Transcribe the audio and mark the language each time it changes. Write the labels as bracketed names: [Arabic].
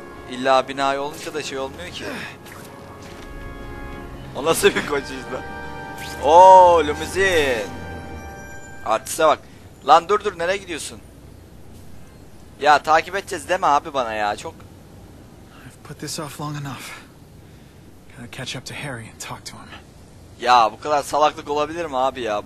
[Turkish] İlla binayı olunca da şey olmuyor ki. O nasıl bir koç işte. Ooo limuzin. Artiste bak. Lan dur nereye gidiyorsun? Ya takip edeceğiz deme abi bana ya, çok. [English] Put this off long enough. Gotta catch up to Harry and talk to him. [Turkish] Ya bu kadar salaklık olabilir mi abi ya?